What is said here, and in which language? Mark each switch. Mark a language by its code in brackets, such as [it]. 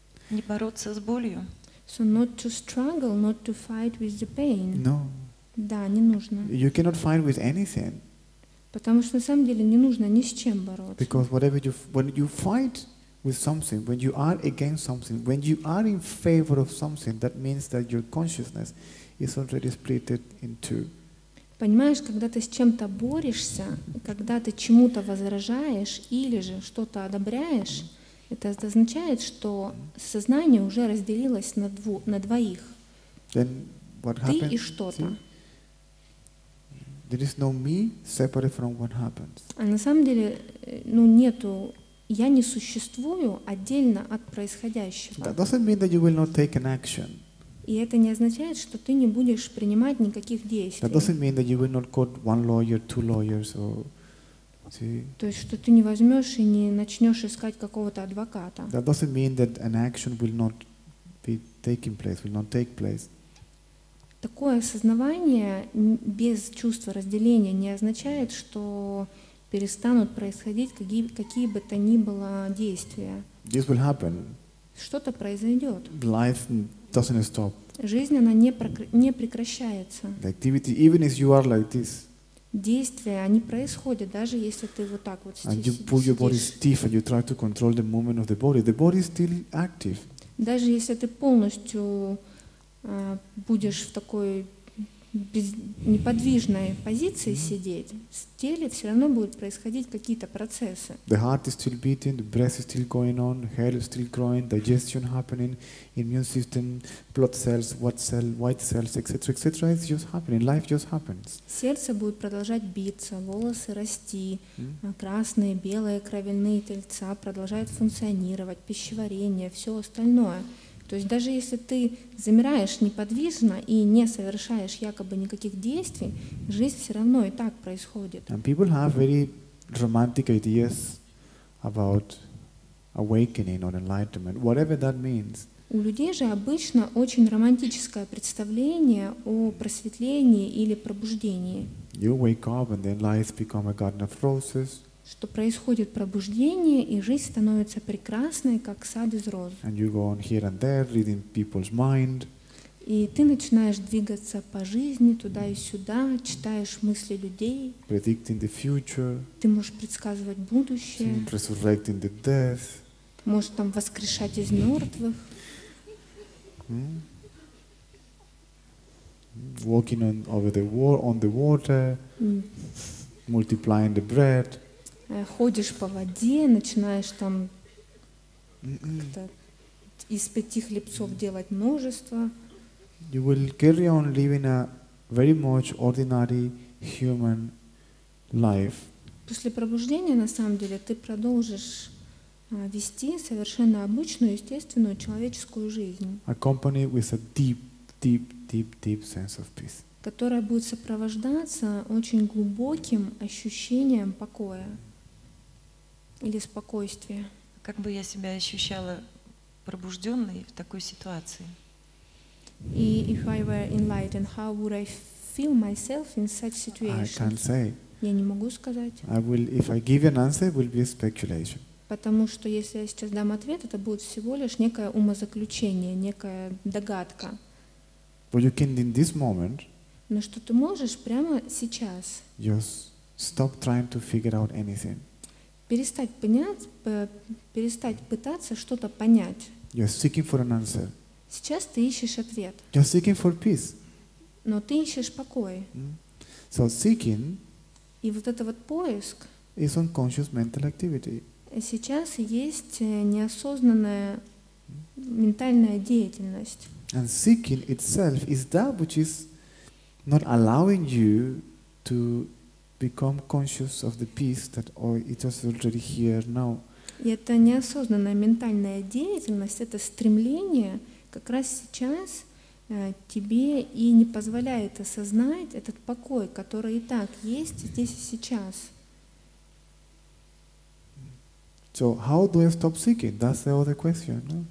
[ru] Не бороться с болью. [en] So not to struggle, not to fight with the pain. No. [ru] Да, не нужно. [en] You cannot fight with anything. [ru] Потому что на самом деле не нужно ни с чем бороться. [en] Because whatever you, when you fight with something, when you are against something, when you are in favor of something, that means that your consciousness is already split in two. [ru] Понимаешь, когда ты с чем-то борешься, когда ты чему-то возражаешь или же что-то одобряешь, это означает, что сознание уже разделилось на двоих. [en] Then what happened? [ru] Ты и что-то. [en] There is no me separate from what happens. [ru] А на самом деле, ну нету, я не существую отдельно от происходящего. [en] That doesn't mean that you will not take an action. [ru] И это не означает, что ты не будешь принимать никаких действий. [en] That doesn't mean that you will not call one lawyer, two lawyers, or see. [ru] То есть, что ты не возьмешь и не начнешь искать какого-то адвоката. [en] That doesn't mean that an action will not be taking place, will not take place. [ru] Такое осознавание без чувства разделения не означает, что перестанут происходить какие бы то ни было действия. [en] This will happen. [ru] Что-то произойдет. [en] Life doesn't stop. [ru] Жизнь она не прекращается. [en] The activity, even if you are like this. [ru] Действия они происходят даже если ты вот так вот. [en] And you pull your body stiff and you try to control the movement of the body. The body is still active. [ru] Даже если ты полностью будешь в такой неподвижной позиции сидеть, в теле все равно будут происходить какие-то процессы. [en] The heart is still beating, the breath is still going on, hair is still growing, digestion happening, immune system, blood cells, white cells, etc., etc. It's just happening, life just happens. [ru] Сердце будет продолжать биться, волосы расти, красные, белые кровяные тельца продолжают функционировать, пищеварение, все остальное. То есть даже если ты замираешь неподвижно и не совершаешь якобы никаких действий, жизнь все равно и так происходит. [en] And people have very romantic ideas about awakening or enlightenment, whatever that means. [ru] У людей же обычно очень романтическое представление о просветлении или пробуждении. [en] You wake up and then life becomes a garden of roses. [ru] Что происходит пробуждение, и жизнь становится прекрасной, как сад из роз. [en] And you go on here and there, reading people's mind. [ru] И ты начинаешь двигаться по жизни туда и сюда, читаешь мысли людей. [en] Predicting the future. [ru] Ты можешь предсказывать будущее. [en] Resurrecting the death. [ru] Можешь там воскрешать из мертвых. [en] Walking on over the on the water, multiplying the bread. [ru] Ходишь по воде, начинаешь там как-то из пяти хлебцов делать множество. [en] You will carry on living a very much ordinary human life. [ru] После пробуждения, на самом деле, ты продолжишь вести совершенно обычную, естественную человеческую жизнь. [en] Accompanied with a deep, deep, deep, deep sense of peace. [ru] Которая будет сопровождаться очень глубоким ощущением покоя. Или спокойствие. Как бы я себя ощущала пробужденной в такой ситуации? [en] И if I were enlightened, how would I feel myself in such situation? I can't say. [ru] Я не могу сказать. [en] I will, if I give an answer, it will be a speculation. [ru] Потому что если я сейчас дам ответ, это будет всего лишь некое умозаключение, некая догадка. [en] But you can in this moment. [ru] Но что ты можешь прямо сейчас? [en] Just stop trying to figure out anything. [ru] Перестать пытаться что-то понять. [en] You're seeking for an answer. [ru] Сейчас ты ищешь ответ. [en] You're seeking for peace. [ru] Но ты ищешь покой. [en] So seeking. [ru] И вот это вот поиск. [en] Is unconscious mental activity. [ru] Сейчас есть неосознанная ментальная деятельность. [en] And seeking itself is that which is not allowing you to become conscious of the peace that it is already here now. [ru] И эта неосознанная ментальная деятельность, это стремление как раз сейчас тебе и не позволяет осознать этот покой, который и так есть здесь и сейчас. [en] So how do I stop seeking? That's the other question. No?